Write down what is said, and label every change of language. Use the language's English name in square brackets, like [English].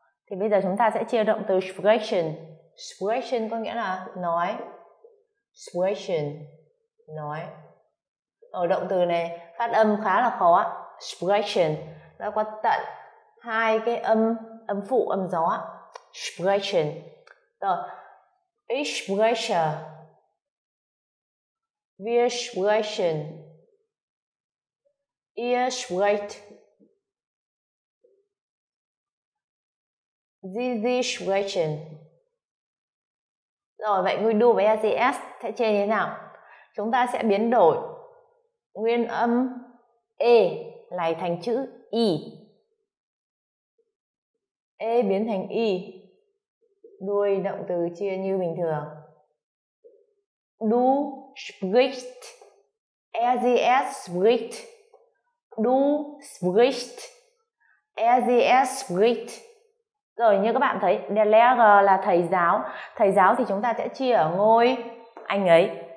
[Vietnamese] Thì bây giờ chúng ta sẽ chia động từ sprechen. Sprechen có nghĩa là nói. Sprechen, nói. Ở động từ này phát âm khá là khó. Sprechen nó có tận hai cái âm, âm phụ, âm gió. Sprechen. [German] Rồi, ich spreche, wir sprechen, ihr sprecht, sie sprechen. [Vietnamese] Rồi, vậy ngôi du với ets sẽ chia như thế nào? Chúng ta sẽ biến đổi nguyên âm e lại thành chữ i. E biến thành i, đuôi động từ chia như bình thường. [German] Du sprichst, ets spricht. Du sprichst, ets spricht. [Vietnamese] Rồi, như các bạn thấy, [German] der Lehrer [Vietnamese] là thầy giáo. Thầy giáo thì chúng ta sẽ chia ở ngôi anh ấy.